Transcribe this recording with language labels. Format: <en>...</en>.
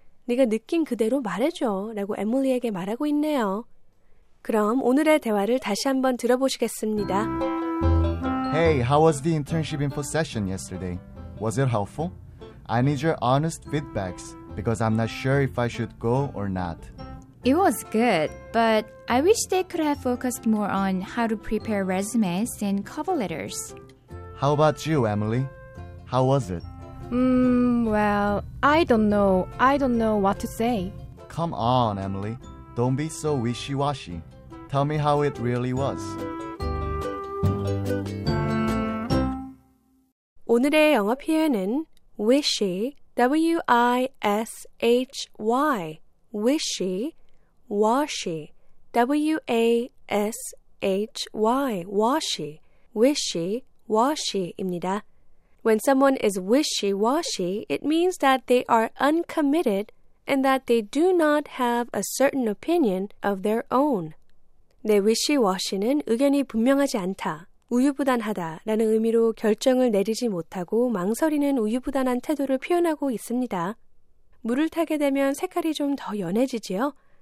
<ko>네가 느낀 그대로 말해줘 라고 에밀리에게 말하고 있네요. 그럼 오늘의 대화를 다시 한번 들어보시겠습니다.</ko> <en>Hey, how was the internship info session yesterday? Was it helpful? I need your honest feedbacks because I'm not sure if I should go or not. It was good, but I wish they could have focused more on how to prepare resumes and cover letters. How about you, Emily? How was it? Well, I don't know. I don't know what to say. Come on, Emily. Don't be so wishy-washy. Tell me how it really was.</en> <ko>오늘의 영어 표현은 wishy, W-I-S-H-Y, wishy, washy, W-A-S-H-Y, washy, wishy, washy입니다.</ko> <en>When someone is wishy-washy, it means that they are uncommitted and that they do not have a certain opinion of their own.</en> <ko>내 wishy-washy는 의견이 분명하지 않다, 우유부단하다라는 의미로 결정을 내리지 못하고 망설이는 우유부단한 태도를 표현하고 있습니다. 물을 타게 되면 색깔이 좀 더 연해지지요?</ko>